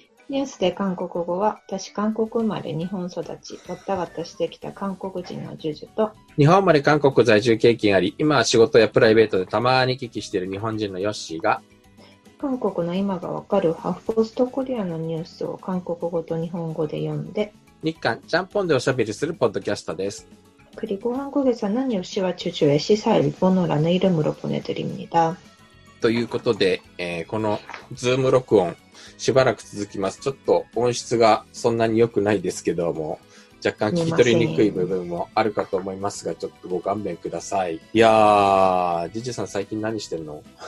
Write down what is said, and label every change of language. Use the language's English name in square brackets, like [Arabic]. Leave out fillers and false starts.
[Japanese] ニュースで韓国語は、私韓国生まれ日本育ち、わったわったしてきた韓国人のジュジュと、日本生まれ韓国在住経験あり、今は仕事やプライベートでたまに聞きしている日本人のヨッシーが、韓国の今がわかるハーフポストコリアのニュースを韓国語と日本語で読んで、日韓ちゃんぽんでおしゃべりするポッドキャストです。 [Korean] 그리고한국에서는요시와주주의시사일본어라는이름으로보내드립니다。 [Japanese] ということで、このズーム録音しばらく続きます。ちょっと音質がそんなに良くないですけども、若干聞き取りにくい部分もあるかと思いますが、ちょっとご勘弁ください。いやー、ジジさん最近何してるの？